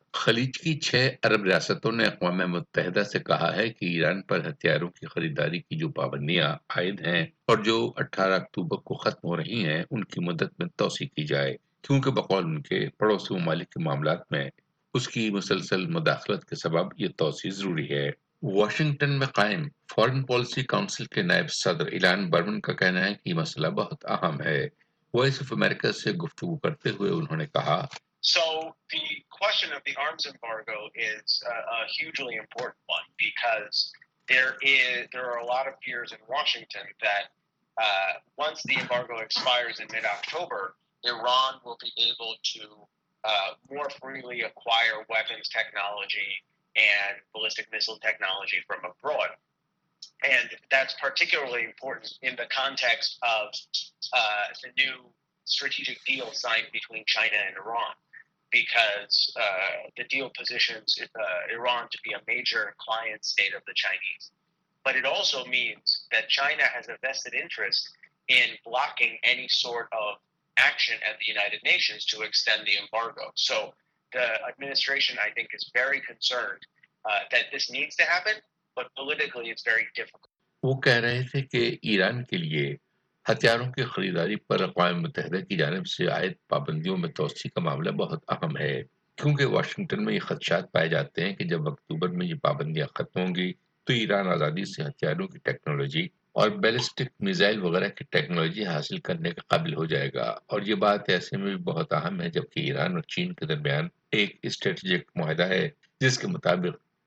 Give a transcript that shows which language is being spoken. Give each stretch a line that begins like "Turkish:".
Urdu: خلیج کی 6 عرب ریاستوں نے اقوام متحدہ سے کہا ہے کہ ایران پر ہتھیاروں کی خریداری کی جو پابندیاں عائد ہیں اور جو 18 اکتوبر کو ختم ہو رہی ہیں ان کی مدت میں توسیع کی جائے، کیونکہ بقول ان کے پڑوسی ممالک کے معاملات میں اس کی مسلسل مداخلت کے سبب یہ توسیع ضروری ہے۔ واشنگٹن میں قائم فورن پالیسی کونسل کے نائب صدر ایلان برمن کا کہنا ہے کہ یہ مسئلہ بہت اہم ہے۔ وائس آف امریکہ سے گفتگو کرتے ہوئے انہوں نے کہا،
English: So the question of the arms embargo is a hugely important one because there are a lot of fears in Washington that once the embargo expires in mid-October, Iran will be able to more freely acquire weapons technology and ballistic missile technology from abroad. And that's particularly important in the context of the new strategic deal signed between China and Iran. Because the deal positions Iran to be a major client state of the Chinese. But it also means that China has a vested interest in blocking any sort of action at the United Nations to extend the embargo. So the administration, I think, is very concerned that this needs to happen, but politically it's very difficult.
Urdu: وہ کہہ رہے تھے کہ ایران کے لیے ہتھیاروں کی خریداری پر اقوام متحدہ کی جانب سے عائد پابندیوں میں توسیع کا معاملہ بہت اہم ہے، کیونکہ واشنگٹن میں یہ خدشات پائے جاتے ہیں کہ جب اکتوبر میں یہ پابندیاں ختم ہوں گی تو ایران آزادی سے ہتھیاروں کی ٹیکنالوجی اور بیلسٹک میزائل وغیرہ کی ٹیکنالوجی حاصل کرنے کے قابل ہو جائے گا، اور یہ بات ایسے میں بھی بہت اہم ہے جبکہ ایران اور چین کے درمیان ایک اسٹریٹجک معاہدہ ہے جس کے مطابق